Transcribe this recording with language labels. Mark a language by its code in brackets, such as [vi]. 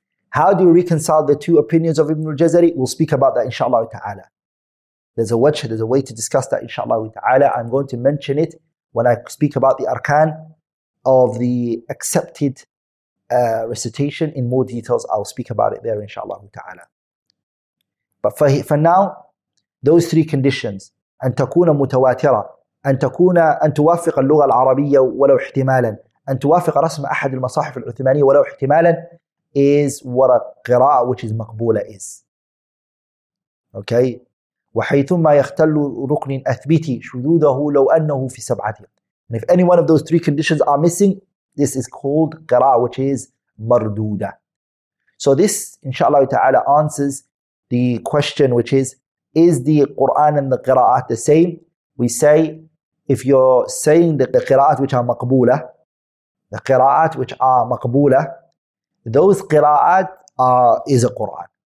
[en] How do you reconcile the two opinions of Ibn al-Jazari? We'll speak about that inshaAllah ta'ala. There's a way to discuss that inshaAllah ta'ala. I'm going to mention it when I speak about the arkan of the accepted recitation in more details. I'll speak about it there inshaAllah ta'ala. But for now, those three conditions, [ar] أن تكون متواترة, أن تكون أن توافق اللغة العربية ولو احتمالا, أن توافق رسم أحد المصاحف العثمانية ولو احتمالا, [en] is what a [ar] قراءة which is مقبولة is. [en] Okay? [ar] وحيثما يختل ركن أثبتي شذوذه لو أنه في سبعة. [en] And if any one of those three conditions are missing, this is called قراءة which is مردودة. So this, inshallah ta'ala, answers the question which is the Qur'an and the Qira'at the same? We say, if you're saying the Qira'at which are maqboola, the Qira'at which are maqboola, those Qira'at is a Qur'an.